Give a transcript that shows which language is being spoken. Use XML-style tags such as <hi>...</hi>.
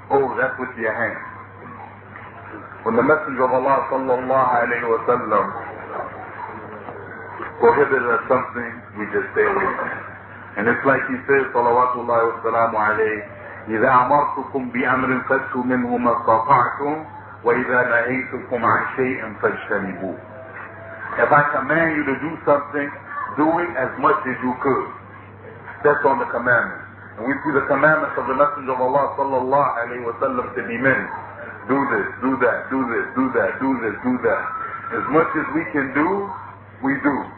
<en>Oh, that's with your hand. When the Messenger of Allah sallallahu alayhi wa sallam prohibited us something, we just stay away from it. And it's like he says, salawatullahi wa sallamu alayhi,</en> <ar>إِذَا أَمَرْتُكُمْ بِأَمْرٍ فَاتُّوا مِنْهُ مَا اسْتَطَعْتُمْ وَإِذَا نَهَيْتُكُمْ عَنْ شَيْءٍ فَاجْتَنِبُوهُ.</ar> <en>If I command you to do something, do it as much as you could. That's on the commandments. And we see the commandments of the Messenger of Allah sallallahu alayhi wa sallam to be many. Do this, do that, do this, do that, do this, do that. As much as we can do, we do.</en>